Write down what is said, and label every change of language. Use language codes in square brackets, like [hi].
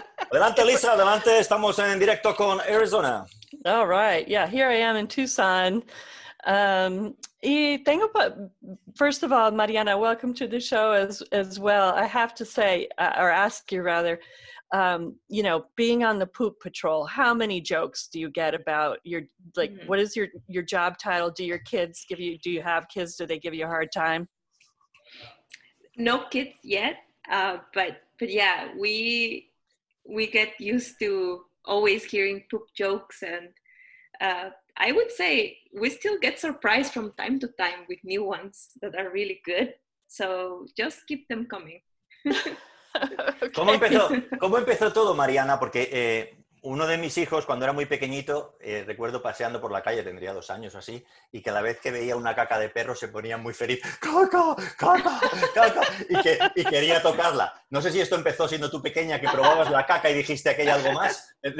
[es] Adelante, Lisa, adelante. Estamos en directo con Arizona. [en] All right. Yeah, here I am in Tucson. [es] Y tengo, [en] first of all, Mariana, welcome to the show as well. I have to say, or ask you rather, you know, being on the poop patrol, how many jokes do you get about your, like, what is your job title? Do you have kids? Do they give you a hard time? No kids yet. But yeah, we get used to always hearing poop jokes, and I would say we still get surprised from time to time with new ones that are really good. So just keep them coming. Okay. [es] ¿Cómo empezó todo, Mariana? Porque uno de mis hijos, cuando era muy pequeñito, recuerdo paseando por la calle, tendría 2 años o así, y cada vez que veía una caca de perro se ponía muy feliz. ¡Caca! ¡Caca! ¡Caca! Y quería tocarla. No sé si esto empezó siendo tú pequeña, que probabas la caca y dijiste aquello algo más.